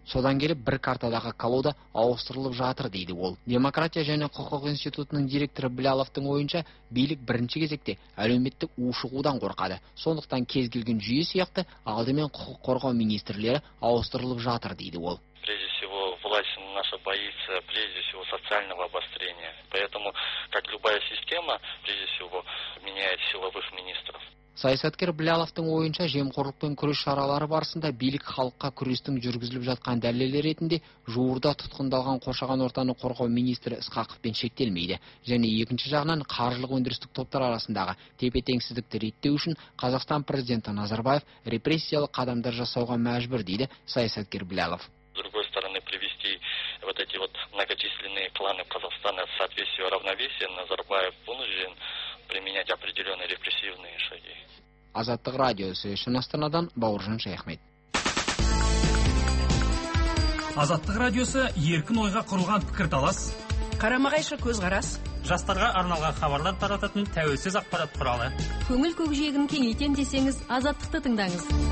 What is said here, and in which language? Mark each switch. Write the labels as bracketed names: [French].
[Kazakh] Содан келіп бір картадағы колода ауыстырылып жатыр, дейді ол. Демократия және құқық институтының директоры Біләловтың ойынша, билік бірінші кезекте әлеуметтік ушығудан қорқады. Сондықтан кез келген жүйе сияқты алдымен құқық қорғау министрлері ауыстырылып жатыр, дейді ол. [Russian] Прежде всего, власть наша боится прежде всего социального обострения. Поэтому, как любая система, прежде всего меняет силовых министров. [Kazakh] Саясаткер Біләловтың ойынша жемқорлықпен күрес шаралары барысында билік халыққа күрестің жүргізіліп жатқан дәлелі ретінде жуырда тұтқындалған қоршаған ортаны қорғау министрі Ысқақовпен шектелмейді. Және екінші жағынан қаржылық өндірістік топтар арасындағы тепе-теңсіздікті реттеу үшін Қазақстан президенті Назарбаев репрессиялық қадамдар жасауға мәжбүр, дейді саясаткер Біләлов. [Russian] С другой стороны, привести вот эти вот многочисленные кланы Казахстана в соответствие равновесия, Назарбаев вынужден применять определенные репрессивные шаги. [Kazakh] Азаттық радиосы үшін Астанадан Бауыржан Шайхмет. Азаттық радиосы еркін ойға құрылған пікірталас. Қарама-қайшы көзқарас. Жастарға арналған хабарлар тарататын тәуелсіз ақпарат құралы. Көңіл көкжиегін кеңейтем десеңіз, Азаттықты тыңдаңыз.